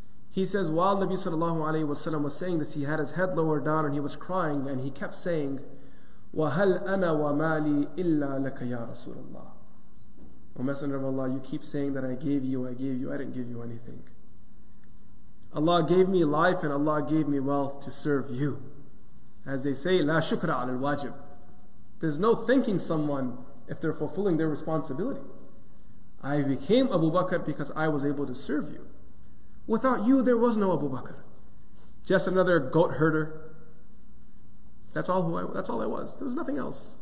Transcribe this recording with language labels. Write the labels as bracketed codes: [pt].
[en] He says, while Nabi sallallahu alayhi wasallam was saying this, he had his head lowered down and he was crying and he kept saying, [ar] وَهَلْ أَنَا وَمَالِي إِلَّا لَكَ يَا رَسُولَ اللَّهِ. [en] O Messenger of Allah, you keep saying that I gave you, I didn't give you anything. Allah gave me life and Allah gave me wealth to serve you. As they say, [ar] لَا شُكْرَ عَلَى الْوَاجِبِ. [en] There's no thanking someone if they're fulfilling their responsibility. I became Abu Bakr because I was able to serve you. Without you, there was no Abu Bakr. Just another goat herder. That's all I was. There was nothing else.